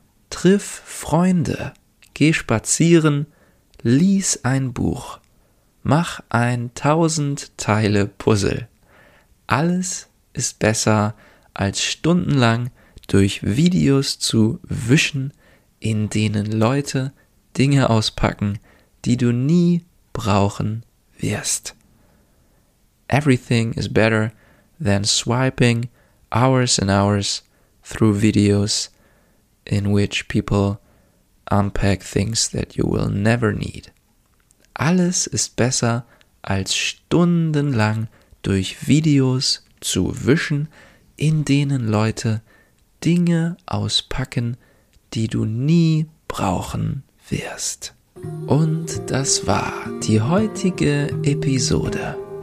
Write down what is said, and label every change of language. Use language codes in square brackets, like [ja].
[de] Triff Freunde, geh spazieren, lies ein Buch, mach ein 1000-Teile-Puzzle. Alles ist besser, als stundenlang durch Videos zu wischen, in denen Leute Dinge auspacken, die du nie brauchen wirst. [en] Everything is better than swiping hours and hours through videos in which people unpack things that you will never need. [de] Alles ist besser, als stundenlang durch Videos zu wischen, in denen Leute Dinge auspacken, die du nie brauchen wirst. Und das war die heutige Episode.